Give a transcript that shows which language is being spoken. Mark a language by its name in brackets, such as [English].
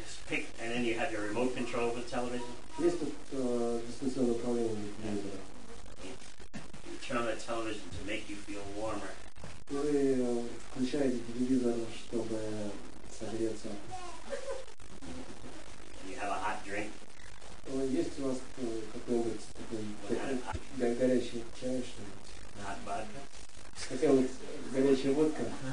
[English] And then you have your remote control of the television. [Russian] Есть тут дистанционное управление телевизора. [English] Turn on the television to make you feel warmer. [Russian] Вы включаете телевизор, чтобы согреться. [English] And you have a hot drink. [Russian] Есть у вас какой-нибудь такой горячий чай, что ли? [English] Hot vodka? [Russian] Какая-нибудь горячая водка?